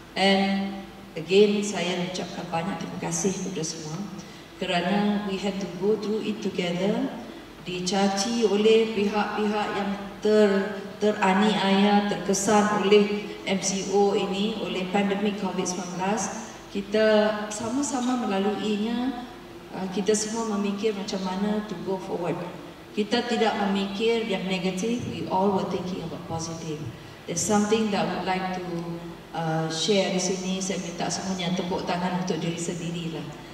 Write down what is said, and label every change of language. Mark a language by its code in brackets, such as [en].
[ms] And again, saya ucapkan banyak terima kasih kepada semua kerana we had to go through it together, dicaci oleh pihak-pihak yang teraniaya, terkesan oleh MCO ini, oleh pandemik COVID-19. Kita sama-sama melaluinya. Kita semua memikir macam mana to go forward. Kita tidak memikir yang negatif. [en] We all were thinking about positive. There's something that I would like to share di sini. [ms] Saya minta semuanya tepuk tangan untuk diri sendirilah.